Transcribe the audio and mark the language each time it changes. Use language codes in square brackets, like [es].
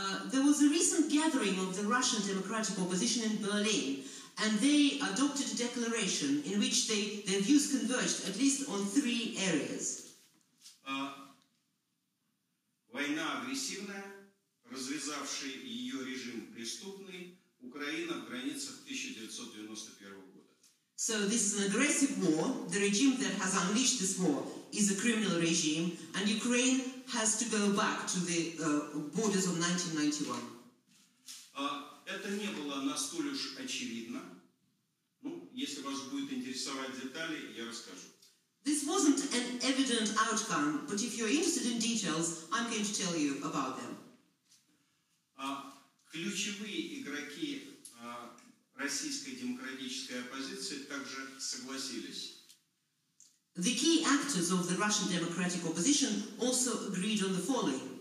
[en] There was a recent gathering of the Russian Democratic Opposition in Berlin, and they adopted a declaration in which their views converged at least on three areas. [ru] Война агрессивная, развязавший ее режим преступный, Украина в границах 1991 года. [en] So this is an aggressive war. The regime that has unleashed this war is a criminal regime, and Ukraine has to go back to the borders of 1991. [ru] Это не было настолько уж очевидно. Ну, если вас будет интересовать детали, я расскажу. [en] This wasn't an evident outcome, but if you're interested in details, I'm going to tell you about them. [ru] Ключевые игроки российской демократической оппозиции также согласились. [en] The key actors of the Russian Democratic Opposition also agreed on the following.